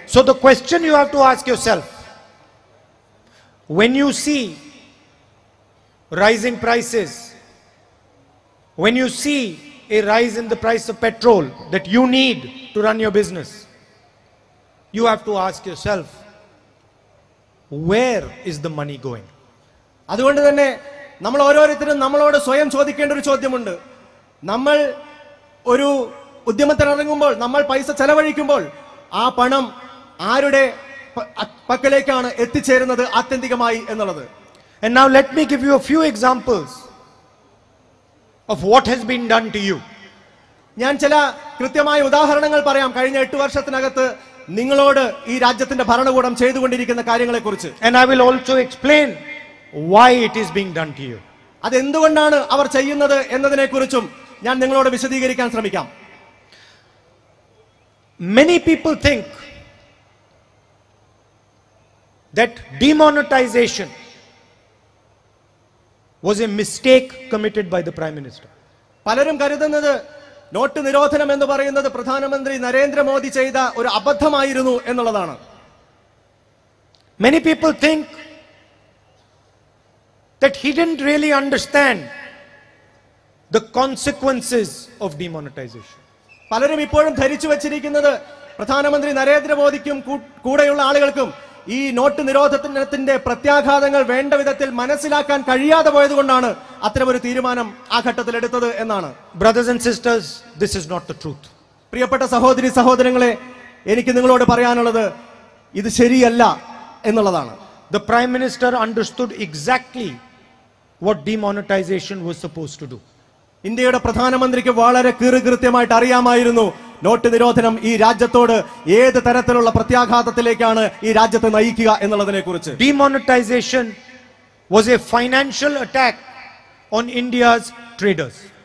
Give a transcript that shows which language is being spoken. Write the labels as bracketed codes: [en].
[en] So the question you have to ask yourself when you see rising prices, when you see a rise in the price of petrol that you need to run your business, you have to ask yourself where is the money going. [ml] അതുകൊണ്ട് തന്നെ നമ്മൾ ഓരോരുത്തരും നമ്മളോട് സ്വയം ചോദിക്കേണ്ട ഒരു ചോദ്യമുണ്ട്. നമ്മൾ ഒരു ഉദ്യമത്തിനിറങ്ങുമ്പോൾ നമ്മൾ പൈസ ചെലവഴിക്കുമ്പോൾ ആ പണം ആരുടെ പക്കലേക്കാണ് എത്തിച്ചേരുന്നത് ആത്യന്തികമായി എന്നുള്ളത്. [en] And now let me give you a few examples of what has been done to you. [ml] ഞാൻ ചില കൃത്യമായ ഉദാഹരണങ്ങൾ പറയാം കഴിഞ്ഞ 8 വർഷത്തിനകത്ത് നിങ്ങളോട് ഈ രാജ്യത്തിന്റെ ഭരണകൂടം ചെയ്തുകൊണ്ടിരിക്കുന്ന കാര്യങ്ങളെ കുറിച്ച്. [en] And I will also explain why it is being done to you. [ml] അതെന്തുകൊണ്ടാണ് അവർ ചെയ്യുന്നത് എന്നതിനെ കുറിച്ചും ഞാൻ നിങ്ങളോട് വിശദീകരിക്കാൻ ശ്രമിക്കാം. [en] Many people think that demonetization was a mistake committed by the Prime Minister. [ml] പലരും കരുതുന്നത് നോട്ട് നിരോധനം എന്ന് പറയുന്നത് പ്രധാനമന്ത്രി നരേന്ദ്രമോദി ചെയ്ത ഒരു അബദ്ധമായിരുന്നു എന്നുള്ളതാണ്. [en] Many people think that he didn't really understand the consequences of demonetization. [ml] പലരും ഇപ്പോഴും ധരിച്ചു വെച്ചിരിക്കുന്നത് പ്രധാനമന്ത്രി നരേന്ദ്രമോദിക്കും കൂടെയുള്ള ആളുകൾക്കും ഈ നോട്ട് നിരോധനത്തിന്റെ പ്രത്യാഘാതങ്ങൾ വേണ്ട വിധത്തിൽ മനസ്സിലാക്കാൻ കഴിയാതെ പോയതുകൊണ്ടാണ് അത്തരമൊരു തീരുമാനം ആ ഘട്ടത്തിൽ എടുത്തത് എന്നാണ്. [en] Brothers and sisters, this is not the truth. [ml] പ്രിയപ്പെട്ട സഹോദരി സഹോദരങ്ങളെ, എനിക്ക് നിങ്ങളോട് പറയാനുള്ളത് ഇത് ശരിയല്ല എന്നുള്ളതാണ്. [en] The Prime Minister understood exactly what demonetization was supposed to do. [ml] ഇന്ത്യയുടെ പ്രധാനമന്ത്രിക്ക് വളരെ കൃത്യമായിട്ട് അറിയാമായിരുന്നു നോട്ട് നിരോധനം ഈ രാജ്യത്തോട് ഏത് തരത്തിലുള്ള പ്രത്യാഘാതത്തിലേക്കാണ് ഈ രാജ്യത്തെ നയിക്കുക എന്നുള്ളതിനെ കുറിച്ച്. [en] Demonetisation was a financial attack on India's traders.